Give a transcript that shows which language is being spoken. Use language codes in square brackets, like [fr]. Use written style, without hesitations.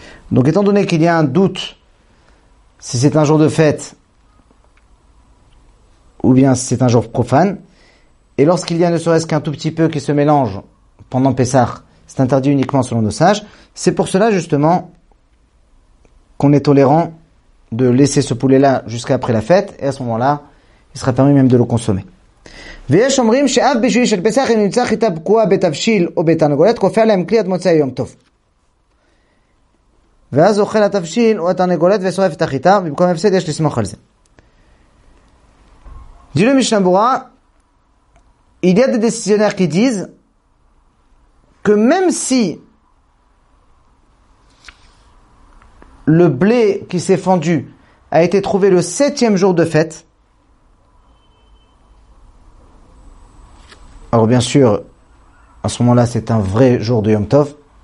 [fr] Donc étant donné qu'il y a un doute si c'est un jour de fête ou bien si c'est un jour profane, et lorsqu'il y a ne serait-ce qu'un tout petit peu qui se mélange pendant Pessah, c'est interdit uniquement selon nos sages, c'est pour cela justement qu'on est tolérant de laisser ce poulet-là jusqu'à après la fête, et à ce moment-là, il sera permis même de le consommer. [he] ויש אומרים שאף בשביל של פסח אם נמצא חיטה פקועה בתבשיל או בתרנגולת כופה עליהם כלי עד מוצאי יום טוב. ואז אוכל התבשיל או התרנגולת ושורף את החיטה, במקום הפסד יש לסמוך על זה. דינו משנה ברורה, [fr] il y a des décisionnaires qui disent que même si le blé qui s'est fendu a été trouvé le septième jour de fête, alors bien sûr, à ce moment-là, c'est un vrai jour de Yom Tov.